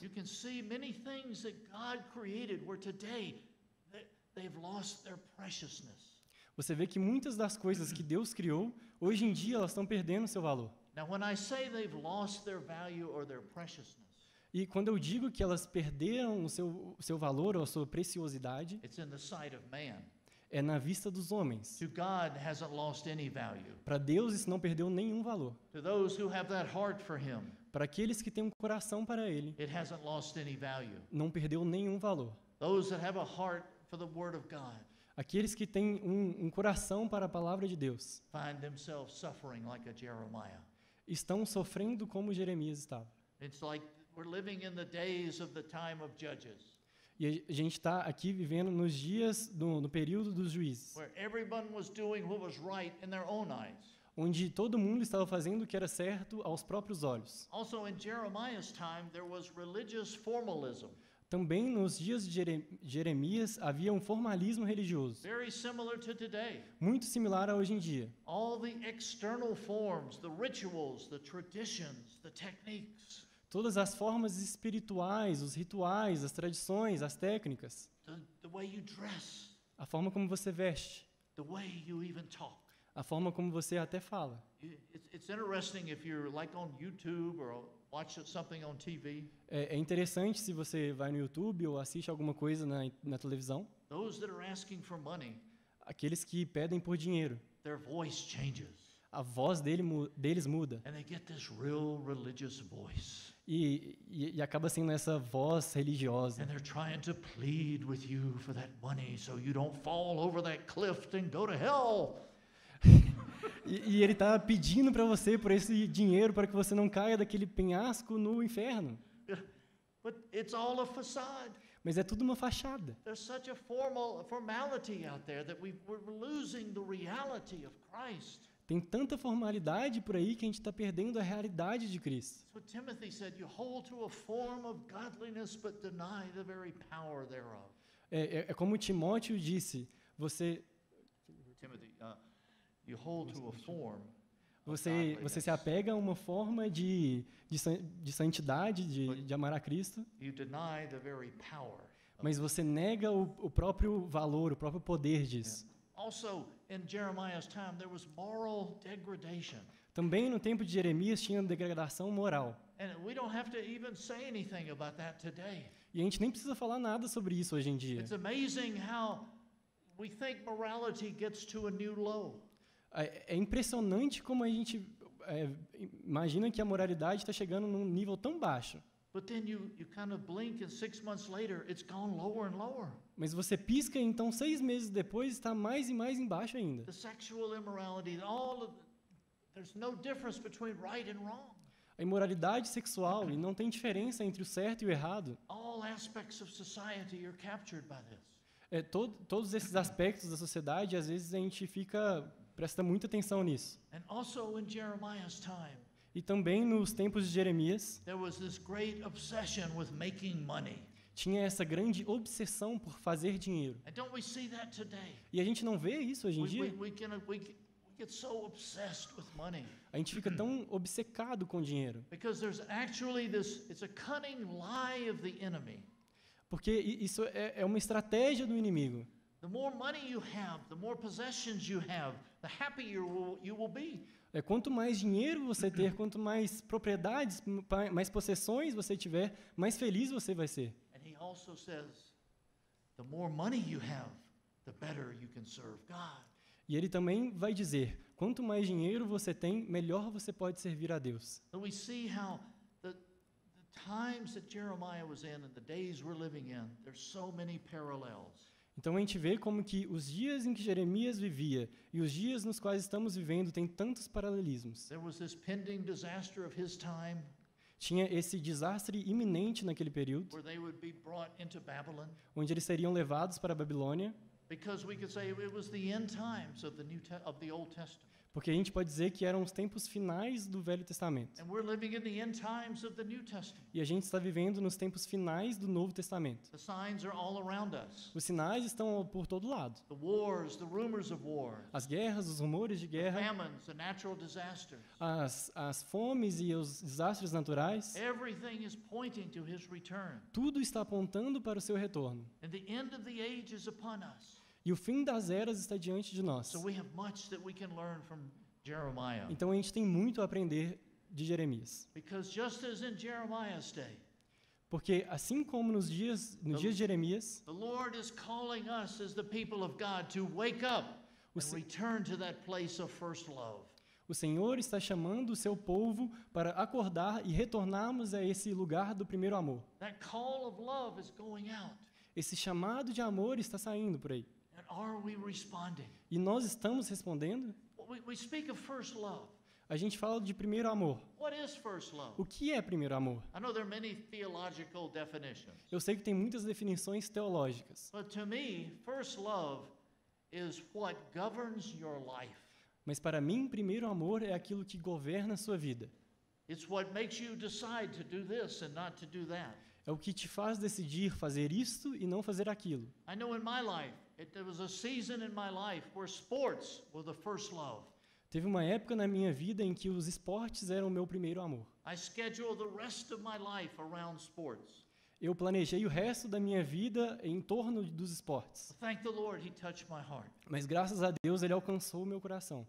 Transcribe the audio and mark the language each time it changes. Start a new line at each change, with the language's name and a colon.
Portuguese: Você pode ver muitas coisas que Deus criou hoje, eles perderam sua preciosidade. Você vê que muitas das coisas que Deus criou, hoje em dia elas estão perdendo seu valor.
English: Now, when I say they've lost their value or their preciousness,
Portuguese: e quando eu digo que elas perderam o seu valor ou a sua preciosidade,
English: it's in the sight of man.
Portuguese: É na vista dos homens.
English: To God hasn't lost any value.
Portuguese: Para Deus isso não perdeu nenhum valor.
English: To those who have that heart for him,
Portuguese: para aqueles que têm um coração para ele,
English: it hasn't lost any value.
Portuguese: Não perdeu nenhum valor.
English: Those that have a heart for the word of God,
Portuguese: aqueles que têm um coração para a palavra de Deus,
English: find themselves suffering like a Jeremiah.
Portuguese: Estão sofrendo como Jeremias estava.
English: It's like we're living in the days of the time of judges.
Portuguese: E a gente está aqui vivendo nos dias no período dos juízes.
English: Where everyone was doing what was right in their own eyes.
Portuguese: Onde todo mundo estava fazendo o que era certo aos próprios olhos.
English: Also in Jeremiah's time there was religious formalism.
Portuguese: Também nos dias de Jeremias havia um formalismo religioso.
English: Very similar to today.
Portuguese: Muito similar a hoje em dia.
English: All the external forms, the rituals, the traditions, the techniques.
Portuguese: Todas as formas espirituais, os rituais, as tradições, as técnicas.
English: The way you dress.
Portuguese: A forma como você veste.
English: The way you even talk.
Portuguese: A forma como você até fala.
English: It's interesting if you're like on YouTube or watch something on TV.
Portuguese: É interessante se você vai no YouTube ou assiste alguma coisa na televisão.
English: Those that are asking for money,
Portuguese: aqueles que pedem por dinheiro,
English: their voice changes.
Portuguese: A voz deles muda.
English: And they get this real religious voice.
Portuguese: E acaba sendo essa voz religiosa.
English: And they're trying to plead with you for that money so you don't fall over that cliff and go to hell.
Portuguese: E ele está pedindo para você por esse dinheiro para que você não caia daquele penhasco no inferno.
English: But it's all a facade.
Portuguese: Mas é tudo uma fachada.
English: There's such a formality out there that we're losing the reality of Christ.
Portuguese: Tem tanta formalidade por aí que a gente está perdendo a realidade de Cristo.
English: So Timothy said, you hold to a form of godliness but deny the very power thereof.
Portuguese: É como Timóteo disse, você.
English: Timothy, you hold to a form.
Portuguese: Você se apega a uma forma de santidade, de amar a Cristo.
English: You deny the very power.
Portuguese: Mas você nega o próprio valor, o próprio poder disso.
English: Yeah. Also, in Jeremiah's time, there was moral degradation.
Portuguese: Também no tempo de Jeremias tinha degradação moral.
English: And we don't have to even say anything about that today.
Portuguese: E a gente nem precisa falar nada sobre isso hoje em dia.
English: It's amazing how we think morality gets to a new low.
Portuguese: É impressionante como a gente imagina que a moralidade está chegando num nível tão baixo.
English: But then you kind of blink and 6 months later it's gone lower and lower.
Portuguese: Mas você pisca e então 6 meses depois está mais e mais embaixo ainda.
English: The sexual immorality, all of, there's no difference between right and wrong.
Portuguese: A imoralidade sexual e não tem diferença entre o certo e o errado.
English: All aspects of society are captured by this.
Portuguese: Todos esses aspectos da sociedade, às vezes a gente fica, presta muita atenção nisso.
English: And also in Jeremiah's time,
Portuguese: e também nos tempos de Jeremias,
English: there was this great obsession with making money.
Portuguese: Tinha essa grande obsessão por fazer dinheiro.
English: And don't we see that today?
Portuguese: E a gente não vê isso hoje em dia?
English: We get so obsessed with money.
Portuguese: A gente fica tão obcecado com dinheiro. Porque há realmente uma
English: cunning lie
Portuguese: do inimigo. Porque isso é uma estratégia do inimigo.
English: The more money you have, the more possessions you have, the happier you will be.
Portuguese: É quanto mais dinheiro você ter, quanto mais propriedades, mais possessões você tiver, mais feliz você vai ser.
English: And he also says, the more money you have, the better you can serve God.
Portuguese: E ele também vai dizer, quanto mais dinheiro você tem, melhor você pode servir a Deus.
English: So we see how times that Jeremiah was in and the days we're living in, there's so many parallels.
Portuguese: Então a gente vê como que os dias em que Jeremias vivia e os dias nos quais estamos vivendo têm tantos paralelismos.
English: There was this pending disaster of his time.
Portuguese: Tinha esse desastre iminente naquele período.
English: Where they would be brought into Babylon.
Portuguese: Onde eles seriam levados para a Babilônia.
English: Because we could say it was the end times of the Old Testament.
Portuguese: Porque a gente pode dizer que eram os tempos finais do Velho Testamento.
English: And we're living in the end times of the New Testament.
Portuguese: E a gente está vivendo nos tempos finais do Novo Testamento.
English: The signs are all around us.
Portuguese: Os sinais estão por todo lado.
English: The wars, the rumors of wars.
Portuguese: As guerras, os rumores de guerra.
English: The famines, the natural disasters.
Portuguese: As fomes e os desastres naturais.
English: Everything is pointing to his return.
Portuguese: Tudo está apontando para o seu retorno.
English: And the end of the age is upon us.
Portuguese: E o fim das eras está diante de nós.
English: So we have much that we can learn from Jeremiah.
Portuguese: Então a gente tem muito a aprender de Jeremias.
English: Because just as in Jeremiah's day,
Portuguese: porque assim como nos dias, no dia de Jeremias,
English: the Lord is calling us as the people of God to wake up and return to that place of first love.
Portuguese: O Senhor está chamando o seu povo para acordar e retornarmos a esse lugar do primeiro amor.
English: That call of love is going out.
Portuguese: Esse chamado de amor está saindo por aí.
English: And are we responding?
Portuguese: E nós estamos respondendo?
English: We speak of first love.
Portuguese: A gente fala de primeiro amor.
English: What is first love?
Portuguese: O que é primeiro amor?
English: I know there are many theological definitions.
Portuguese: Eu sei que tem muitas definições teológicas.
English: But to me, first love is what governs your life.
Portuguese: Mas para mim, primeiro amor é aquilo que governa a sua vida.
English: It's what makes you decide to do this and not to do that.
Portuguese: É o que te faz decidir fazer isto e não fazer aquilo.
English: I know in my life, there was a season in my life where sports were the first love.
Portuguese: Teve uma época na minha vida em que os esportes eram meu primeiro amor.
English: I scheduled the rest of my life around sports.
Portuguese: Eu planejei o resto da minha vida em torno dos esportes.
English: Thank the Lord, he touched my heart.
Portuguese: Mas graças a Deus, ele alcançou o meu coração.